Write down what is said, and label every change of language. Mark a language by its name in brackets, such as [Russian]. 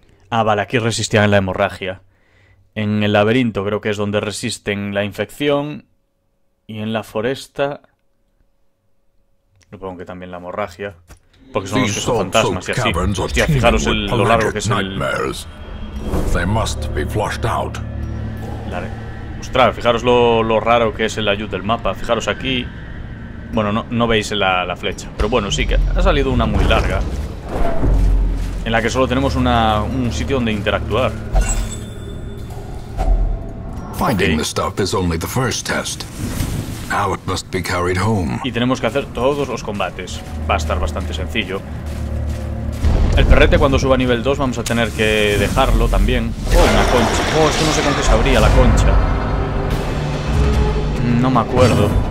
[Spanish] Ah, vale, aquí resistían la hemorragia. En el laberinto creo que es donde resisten la infección. Y en la foresta... supongo que también la hemorragia. Porque son esos fantasmas y así. Hostia, fijaros lo largo que es el... [English] They must be flushed out. [Spanish] Dale. Ostras, fijaros lo raro que es el ayud del mapa. Fijaros aquí. Bueno, no veis la flecha. Pero bueno, sí que ha salido una muy larga. En la que solo tenemos un sitio donde interactuar. [English] Finding the stuff is only the first test. Now it must be carried home. [Spanish] Y tenemos que hacer todos los combates. Va a estar bastante sencillo. El perrete, cuando suba a nivel 2, vamos a tener que dejarlo también. Oh, una concha. Oh, esto no sé con qué se abría la concha. No me acuerdo.